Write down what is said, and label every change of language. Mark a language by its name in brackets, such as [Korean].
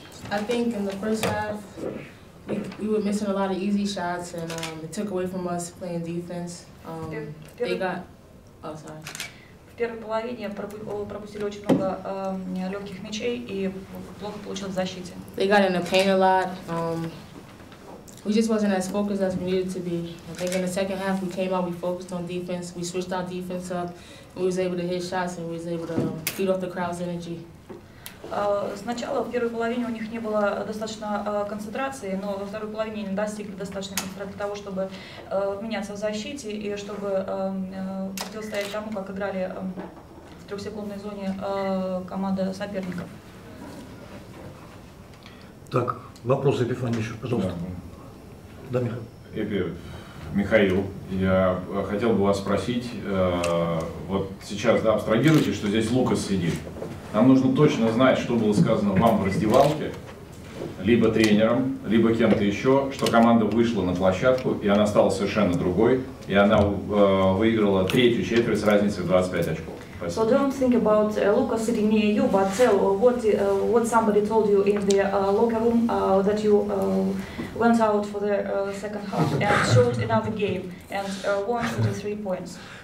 [English] I think in the first half we were missing a lot of easy shots and it took away from us playing defense. [Russian] В первой половине пропустили очень много легких мячей и плохо получилось в защите. [English] They got in the paint a lot. We just wasn't as focused as we needed to be. I think in the second half we came out, we focused on defense, we switched our defense up, and we was able to hit shots and we was able to feed off the crowd's energy. [Russian] Сначала в первой половине у них не было достаточно концентрации, но во второй половине они достигли достаточно концентрации для того, чтобы меняться в защите и чтобы противостоять тому, как играли в трехсекундной зоне команда соперников. Так, вопросы, Эпифания, еще, пожалуйста. Да, Михаил, я хотел бы вас спросить, вот сейчас, да, абстрагируйте, что здесь Лукас сидит. Нам нужно точно знать, что было сказано вам в раздевалке, либо тренером, либо кем-то еще, что команда вышла на площадку, и она стала совершенно другой, и она выиграла третью четверть с разницей в 25 очков. [English] So don't think about Lucas sitting near you, but tell what somebody told you in the locker room that you went out for the second half and showed another game and won 23 points.